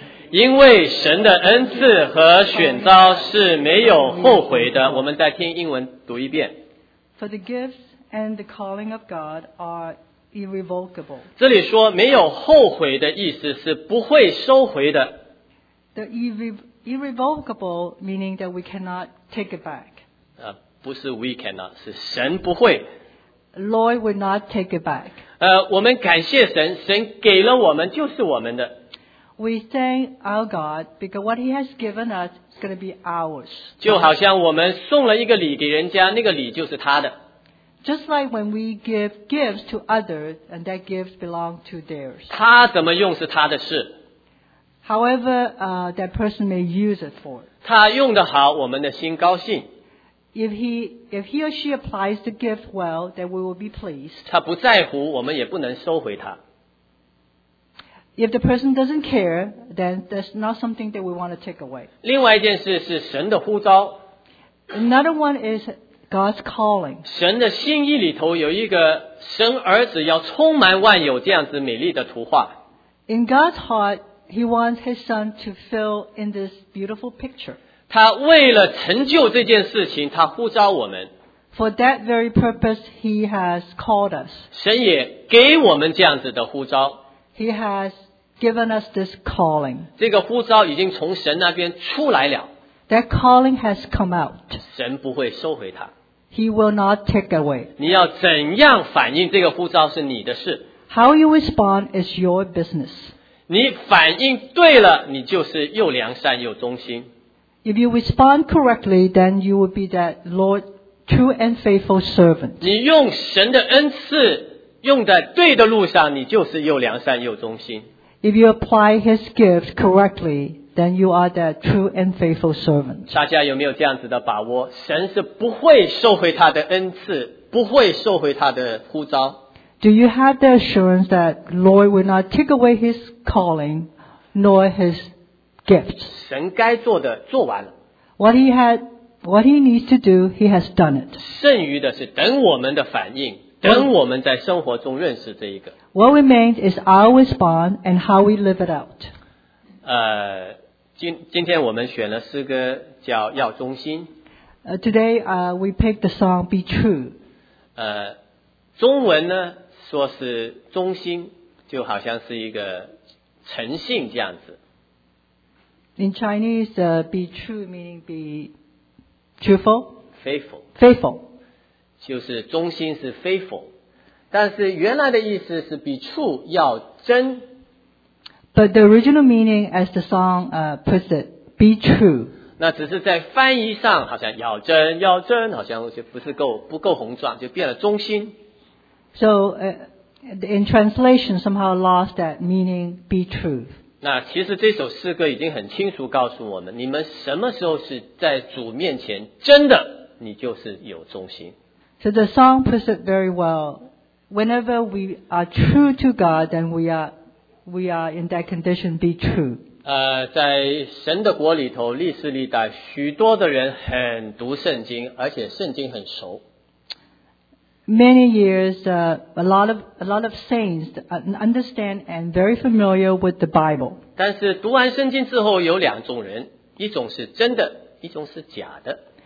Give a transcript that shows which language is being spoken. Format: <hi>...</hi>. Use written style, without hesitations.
<zh>因为神的恩赐和选召是没有后悔的。我们再听英文读一遍。</zh> <en>For the gifts and the calling of God are irrevocable.</en> <zh>这里说没有后悔的意思是不会收回的。</zh> <en>The irrevocable meaning that we cannot take it back.</en> <zh>不是</zh> <en>we cannot,</en> <zh>是神不会。</zh> <en>Lord will not take it back.</en> <zh>我们感谢神，神给了我们就是我们的。</zh> <en>We thank our God because what He has given us is going to be ours.</en> <zh>就好像我们送了一个礼给人家，那个礼就是他的。</zh> <en>Just like when we give gifts to others and that gifts belong to theirs.</en> <zh>他怎么用是他的事。</zh> <en>However, that person may use it for.</en> <zh>他用得好，我们的心高兴。</zh> <en>If he or she applies the gift well, then we will be pleased.</en> <zh>他不在乎，我们也不能收回他。</zh> <en>If the person doesn't care, then that's not something that we want to take away.</en> <zh>另外一件事是神的呼召。</zh> <en>Another one is God's calling.</en> <zh>神的心意里头有一个神儿子要充满万有这样子美丽的图画。</zh> <en>In God's heart, He wants His Son to fill in this beautiful picture.</en> <zh>他为了成就这件事情，他呼召我们。</zh> <en>For that very purpose, He has called us.</en> <zh>神也给我们这样子的呼召。</zh> <en>He has given us this calling.</en> <zh>这个呼召已经从神那边出来了。</zh> <en>That calling has come out.</en> <zh>神不会收回它。</zh> <en>He will not take away.</en> <zh>你要怎样反应这个呼召是你的事。</zh> <en>How you respond is your business.</en> <zh>你反应对了，你就是又良善又忠心。</zh> <en>If you respond correctly, then you will be that Lord, true and faithful servant.</en> <zh>你用神的恩赐用在对的路上，你就是又良善又忠心。</zh> <en>If you apply His gift correctly, then you are that true and faithful servant.</en> <zh>大家有没有这样子的把握？神是不会收回他的恩赐，不会收回他的呼召。</zh> <en>Do you have the assurance that the Lord will not take away his calling nor his gifts?</en> <zh>神该做的做完了。</zh> <en>What he needs to do, he has done it.</en> <zh>剩余的是等我们的反应，等我们在生活中认识这一个。</zh> <en>What remains is our response and how we live it out.</en> <zh>今天我们选了诗歌叫《要忠心》。</zh> <en>Today, we picked the song Be True.</en> <zh>中文呢说是忠心，就好像是一个诚信这样子。</zh> <en>In Chinese, be true meaning be truthful. Faithful. Faithful.</en> <zh>就是忠心是 faithful. 但是原来的意思是</zh> <en>be true,</en> <zh>要真。</zh> <en>But the original meaning as the song puts it, be true.</en> <zh>那只是在翻译上好像要真要真好像就不够红壮就变了忠心。</zh> <en>So, in translation, somehow lost that meaning, be true.</en> <zh>那其实这首诗歌已经很清楚告诉我们，你们什么时候是在主面前真的，你就是有忠心。</zh> <en>So the song puts it very well. Whenever we are true to God, then we are in that condition, be true.</en> <zh>在神的国里头，历世历代，许多的人很读圣经，而且圣经很熟。</zh> <en>Many years, a lot of saints understand and very familiar with the Bible.</en> <zh>但是读完圣经之后有两种人，一种是真的，一种是假的。</zh>